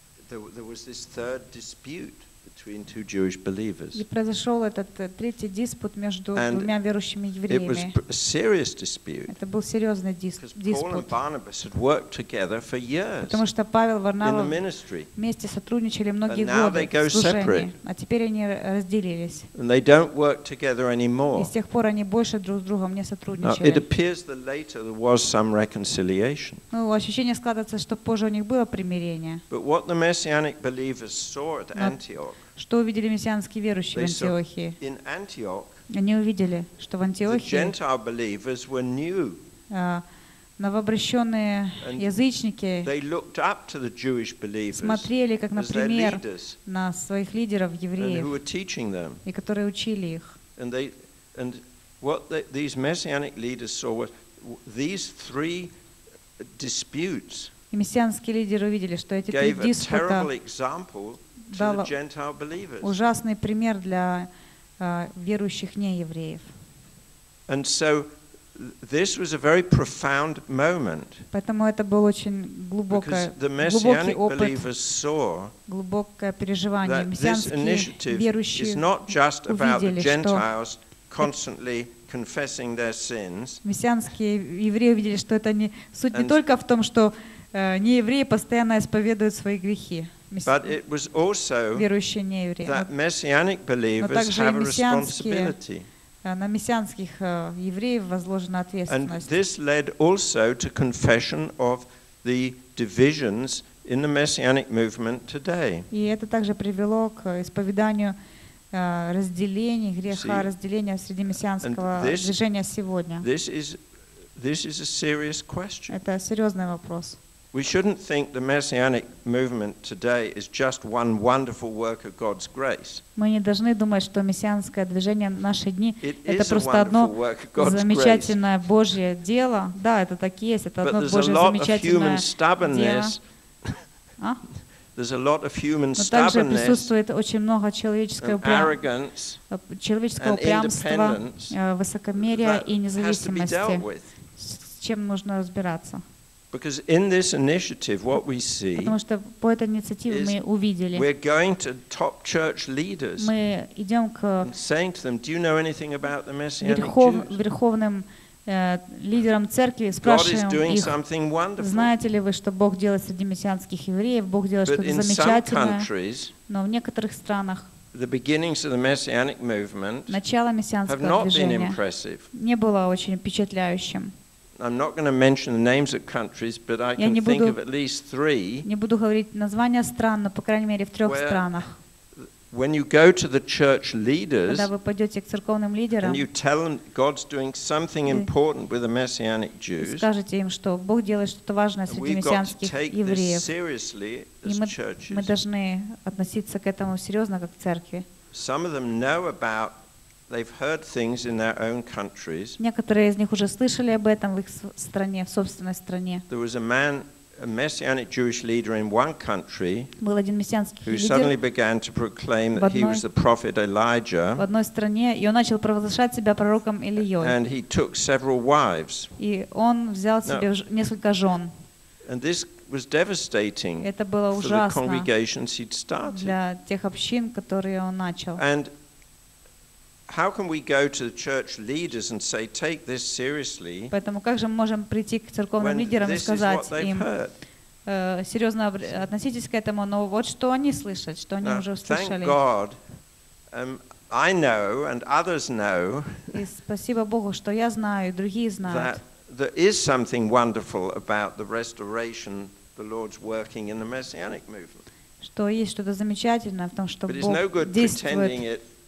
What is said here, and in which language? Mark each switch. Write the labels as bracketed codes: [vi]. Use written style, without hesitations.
[en] There was this third dispute between two Jewish believers. [ru] И произошел этот третий диспут между двумя верующими евреями. [en] It was a serious dispute. [ru] Это был серьезный диспут. [en] Because Paul and Barnabas had worked together for years. [ru] Потому что Павел и Варнава [en] in the ministry. [ru] Вместе сотрудничали многие годы. [en] And now they go separate. [ru] А теперь они разделились. [en] And they don't work together anymore. [ru] И с тех пор они больше друг с другом не сотрудничали. [en] Now, it appears that later there was some reconciliation. [ru] Ну, ощущение складывается, что позже у них было примирение. [en] But what the messianic believers saw at Antioch. [ru] Что увидели мессианские верующие в Антиохии? [en] In Antioch, [ru] они увидели, что в Антиохии [en] the Gentile believers were new. [ru] Новообращенные [en] and [ru] язычники [en] they looked up to the Jewish believers [ru] смотрели, как, например, [en] as their leaders, [ru] на своих лидеров евреев [en] and who were teaching them. [ru] И которые учили их. [en] And what these messianic leaders saw was these three disputes [ru] и мессианские лидеры увидели, что эти [en] gave [ru] три диспута [en] a terrible example [ru] дал [en] Gentile believers. [ru] Ужасный пример для верующих неевреев. [en] And so this was a very profound moment. [ru] Поэтому это был очень глубокое переживание. Мессианские верующие увидели, что [en] constantly confessing their sins. [ru] Мессианские евреи увидели, что это не суть не только в том, что неевреи постоянно исповедуют свои грехи. [en] But it was also that messianic believers have a responsibility. [ru] На мессианских евреев возложена ответственность. [en] And this led also to confession of the divisions in the messianic movement today. [ru] И это также привело к исповеданию разделений греха, разделения среди мессианского движения сегодня. [en] This is a serious question. [ru] Это серьёзный вопрос. [en] We shouldn't think the messianic movement today is just one wonderful work of God's grace. [ru] Мы не должны думать, что мессианское движение в наши дни это просто одно замечательное Божье дело. Да, это так и есть, это одно Божье замечательное дело. [en] There's a lot of human stubbornness. [ru] Также присутствует очень много человеческого упрямства, человеческого упрямства, высокомерия и независимости. С чем нужно разбираться? [en] Because in this initiative, what we see, [ru] потому что по этой инициативе мы увидели, [en] we're going to top church leaders, [ru] мы идем к [en] saying to them, do you know anything about the messianic Jews? [ru] Верховным лидерам церкви спрашиваем их, знаете ли вы, что Бог делает среди мессианских евреев, Бог делает что-то замечательное, но в некоторых странах [en] the beginnings of the messianic movement have not been impressive. [ru] Не было очень впечатляющим. [en] I'm not going to mention the names of countries, but I can think of at least three. [ru] Не буду говорить названия стран, но по крайней мере в трёх странах. [en] When you go to the church leaders, [ru] когда вы пойдёте к церковным лидерам, [en] and you tell them God's doing something important with the messianic Jews, [ru] скажите им, что Бог делает что-то важное среди мессианских евреев. [en] We've got to take this seriously as churches. [ru] Мы должны относиться к этому серьёзно как к церкви. [en] Some of them know about. They've heard things in their own countries. [ru] Некоторые из них уже слышали об этом в их стране, в собственной стране. [en] There was a man, a messianic Jewish leader in one country. [ru] Был один мессианский лидер. [en] Who suddenly began to proclaim that he was the prophet Elijah. [ru] В одной стране, и он начал провозглашать себя пророком Илией. [en] And he took several wives. [ru] И он взял себе несколько жён. [en] And this was devastating. [ru] Это было ужасно. [en] For the congregations he'd started. [ru] Для тех общин, которые он начал. [en] And how can we go to the church leaders and say, take this seriously? [ru] Поэтому как же мы можем прийти к церковным лидерам и сказать им, серьезно относитесь к этому, но вот что они слышат, что они уже услышали. [en] Thank God, I know and others know. [ru] И спасибо Богу, что я знаю, другие знают. [en] That there is something wonderful about the restoration the Lord's working in the messianic movement. [ru] Что есть что-то замечательное в том, что Бог действует.